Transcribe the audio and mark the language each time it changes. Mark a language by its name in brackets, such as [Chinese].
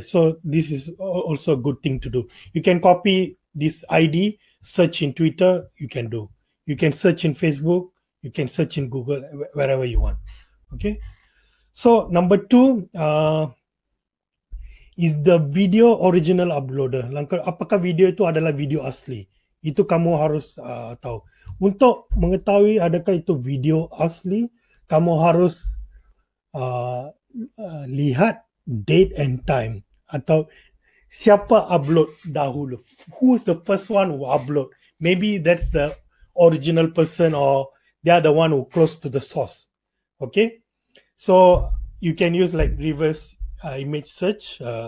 [English] So this is also a good thing to do. You can copy this ID, search in Twitter, you can do. You can search in Facebook, you can search in Google, wherever you want. Okay, so number two is the video original uploader. [Indonesian] Apakah video itu adalah video asli? Itu kamu harus tahu. Untuk mengetahui adakah itu video asli, kamu harus lihat [English] date and time. [Indonesian] Atau siapa upload dahulu? [English] Who's the first one who upload? Maybe that's the original person or they are the one who close to the source. Okay? So, you can use like reverse image search.